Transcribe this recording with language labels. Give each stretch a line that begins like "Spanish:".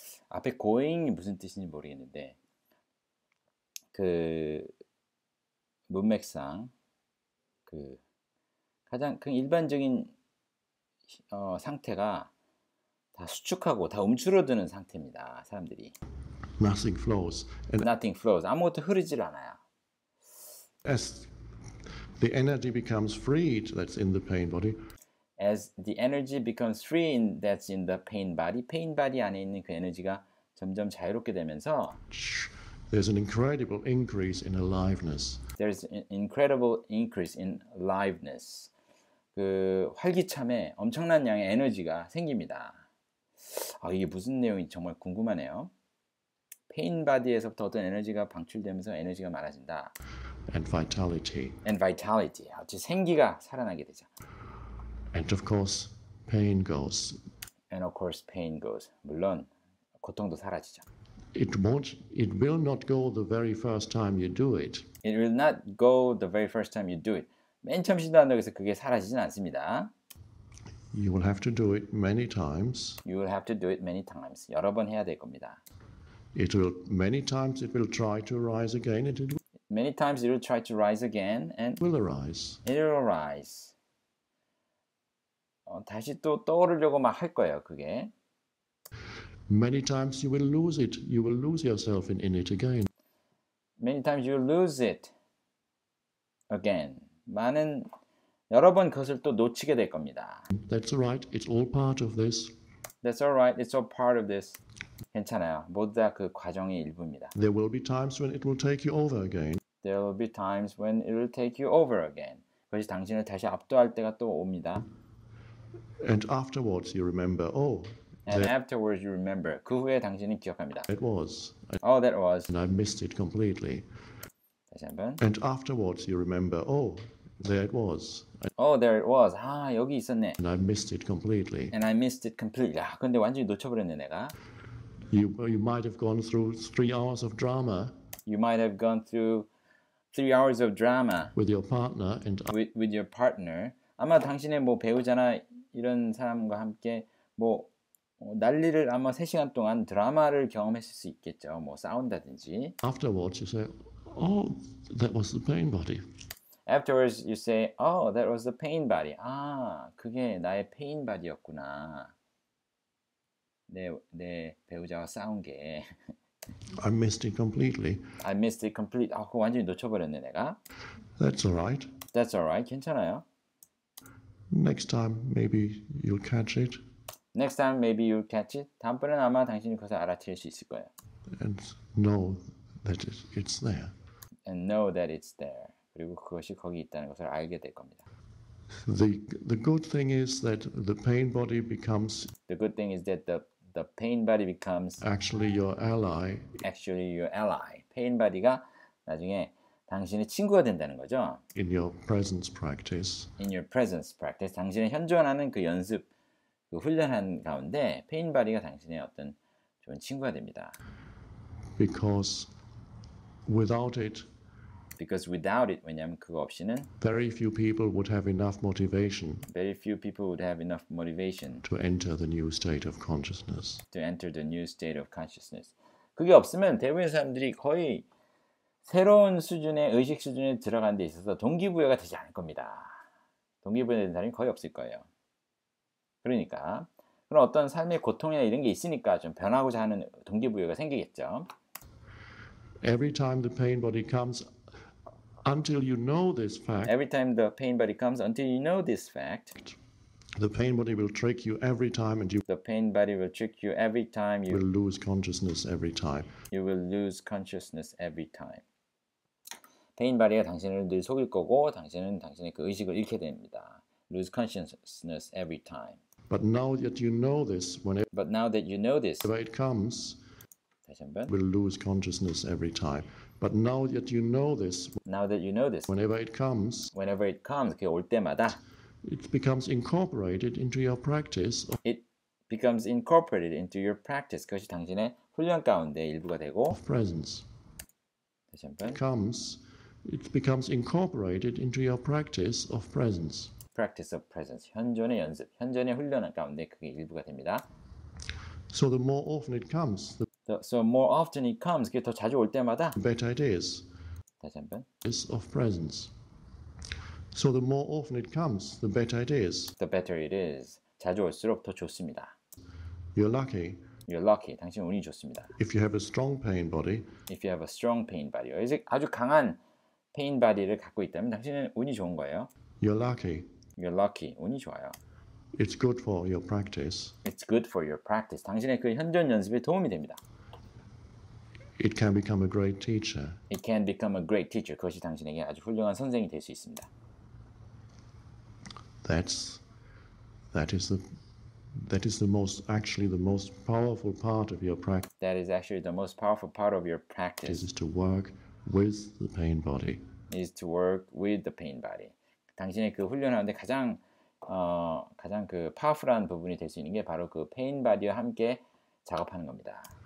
Korean: 앞에 going이 무슨 뜻인지 모르겠는데, 그 문맥상 그 가장 그 일반적인 상태가 다 수축하고 다 움츠러드는 상태입니다. 사람들이.
English: Nothing flows. Nothing flows.
Korean: 아무것도 흐르질 않아요.
English: As the energy becomes freed, that's in the pain body. As the energy becomes free, that's in the pain body.
Korean: Pain body 안에 있는 그 에너지가 점점 자유롭게 되면서
English: There's an incredible increase in aliveness. there's an incredible increase in aliveness.
Korean: 그 활기참에 엄청난 양의 에너지가 생깁니다. 이게 무슨 내용인지 정말 궁금하네요. 페인 바디에서부터 어떤 에너지가 방출되면서 에너지가 많아진다.
English: And vitality. And vitality.
Korean: 생기가 살아나게 되죠.
English: And of course, pain goes. And of course, pain goes.
Korean: 물론 고통도 사라지죠.
English: It will not go the very first time you do it. It will not go the very first time you do it.
Korean: 맨 처음 시도한다고 해서 그게 사라지진 않습니다.
English: You will have to do it many times. You will have to do it many times.
Korean: 여러 번 해야 될 겁니다.
English: It will many times it will try to rise again and it Many times it will try to rise again and will arise. it will rise.
Korean: 다시 또 떠오르려고 막할 거예요, 그게.
English: Many times you will lose it. You will lose yourself in it again. Many times you will lose it again.
Korean: 많은 여러 번 그것을 또 놓치게 될 겁니다.
English: That's right. It's all part of this. That's all right. It's all part of this.
Korean: 괜찮아요. 모두 다그 과정의 일부입니다.
English: There will be times when it will take you over again. There will be times when it will take you over again.
Korean: 그것이 당신을 다시 압도할 때가 또 옵니다.
English: And afterwards, you remember. Oh, And afterwards you remember.
Korean: 그 후에 당신은 기억합니다.
English: it was. Oh, that was. And I missed it completely.
Korean: 다시 한번.
English: And afterwards, you remember. Oh, there it was. Oh, there it was.
Korean: 아, 여기 있었네.
English: And I missed it completely. And I missed it completely.
Korean: 아, 근데 완전히 놓쳐버렸네, 내가.
English: You might have gone through 3 hours of drama You might have gone through 3 hours of drama with your partner and with your partner.
Korean: 아마 당신의 뭐 배우자나 이런 사람과 함께 뭐 난리를 아마 3시간 동안 드라마를 경험했을 수 있겠죠. 뭐 싸운다든지.
English: Afterwards, you say, "Oh, that was the pain body." Afterwards, you say, "Oh, that was the pain body."
Korean: 아, 그게 나의 pain body였구나. 내 배우자와 싸운 게.
English: I missed it completely. I missed it completely.
Korean: 아, 그거 완전히 놓쳐버렸네, 내가.
English: That's all right. That's all right.
Korean: 괜찮아요.
English: Next time, maybe you'll catch it. Next time, maybe you'll catch it.
Korean: 다음번엔 아마 당신이 그것을 알아챌 수 있을 거예요.
English: And know that it's there. And know that it's there.
Korean: 그리고 그것이 거기 있다는 것을 알게 될 겁니다.
English: The good thing is that the pain body becomes The good thing is that the pain body becomes actually your ally. Actually your ally.
Korean: Pain body가 나중에 당신의 친구가 된다는 거죠.
English: In your presence practice. In your presence practice.
Korean: 당신의 현존하는 그 연습, 그 훈련한 가운데 pain body가 당신의 어떤 좋은 친구가 됩니다.
English: Because without it. Because without it,
Korean: 왜냐하면 그거 없이는
English: very few people would have enough motivation. Very few people would have enough motivation to enter the new state of consciousness. To enter the new state of consciousness.
Korean: 그게 없으면 대부분의 사람들이 거의 새로운 수준의 의식 수준에 들어간 데 있어서 동기부여가 되지 않을 겁니다. 동기부여가 되는 사람이 거의 없을 거예요. 그러니까 그런 어떤 삶의 고통이나 이런 게 있으니까 좀 변하고자 하는 동기부여가 생기겠죠.
English: Every time the pain body comes, until you know this fact. Every time the pain body comes, until you know this fact. The pain body will trick you every time, and you. The pain body will trick you every time. You will lose consciousness every time. You will lose consciousness every time.
Korean: Pain body가 당신을 늘 속일 거고, 당신은 당신의 그 의식을 잃게 됩니다.
English: Lose consciousness every time. But now that you know this, whenever. But now that you know this, whenever it comes. Will lose consciousness every time. But now that you know this. Now that you know this. Whenever it comes. Whenever it comes,
Korean: 그게 올 때마다.
English: It becomes incorporated into your practice. It becomes incorporated into your practice.
Korean: 그것이 당신의 훈련 가운데 일부가 되고.
English: Of presence.
Korean: 다시 한번.
English: It becomes incorporated into your practice of presence. Practice of presence.
Korean: 현존의 연습, 현존의 훈련 가운데 그게 일부가 됩니다.
English: So the more often it comes, So more often it comes,
Korean: 그게 더 자주 올 때마다.
English: Better it is.
Korean: 다시 한번.
English: Is of presence. So the more often it comes, the better it is. The better it is.
Korean: 자주 올수록 더 좋습니다.
English: You're lucky. You're lucky.
Korean: 당신 운이 좋습니다.
English: If you have a strong pain body. If you have a strong pain body.
Korean: 아주 강한 pain body를 갖고 있다면 당신은 운이 좋은 거예요.
English: You're lucky. You're lucky.
Korean: 운이 좋아요.
English: It's good for your practice. It's good for your practice.
Korean: 당신의 그 현존 연습에 도움이 됩니다.
English: It can become a great teacher. It can become a great teacher.
Korean: 그것이 당신에게 아주 훌륭한 선생이 될 수 있습니다.
English: That is the most actually the most powerful part of your practice. That is actually the most powerful part of your practice. Is to work with the pain body. Is to work with the pain body.
Korean: 당신의 그 훈련하는데 가장 그 파워풀한 부분이 될 수 있는 게 바로 그 페인 바디와 함께 작업하는 겁니다.